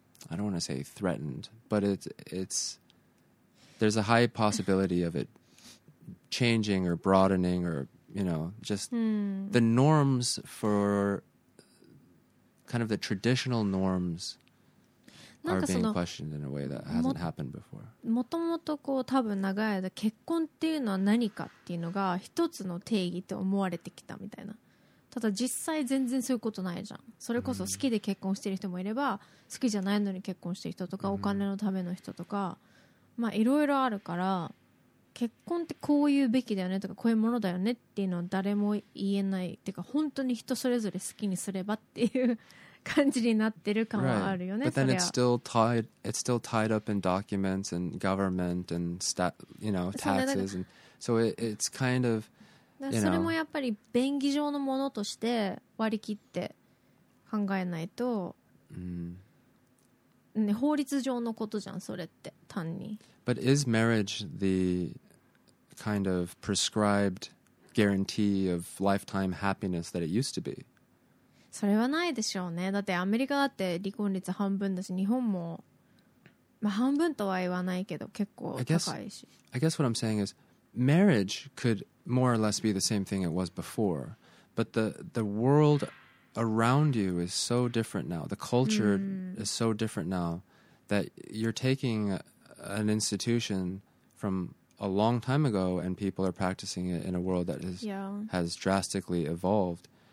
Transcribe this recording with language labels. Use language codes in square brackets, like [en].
[en] I don't want to say threatened, but it's there's a high possibility of it changing or broadening, or, you know, just the norms for kind of the traditional norms are being questioned in a way that hasn't happened before. [ja] もともとこう多分長い間結婚っていうのは何かっていうのが一つの定義と思われてきたみたいな。ただ実際全然そういうことないじゃん。それこそ好きで結婚してる人もいれば、好きじゃないのに結婚してる人とか、お金のための人とか、まあいろいろあるから、結婚ってこういうべきだよねとかこういうものだよねっていうのは誰も言えないっていうか、本当に人それぞれ好きにすればっていう感じになってる感はあるよね。 [en] But then it's still tied up in documents and government and you know, taxes and so it's kind of、 You know. [ja] それもやっぱり便宜上のものとして割り切って考えないと、ね、法律上のことじゃんそれって単に。 [en] But is marriage the kind of prescribed guarantee of lifetime happiness that it used to be? [ja] それはないでしょうね。だってアメリカだって離婚率半分だし、日本も、まあ、半分とは言わないけど結構高いし。 [en] I guess what I'm saying is marriage couldmore or less be the same thing it was before, but the world around you is so different now, the culture is so different now, that you're taking an institution from a long time ago and people are practicing it in a world that is, has drastically evolved.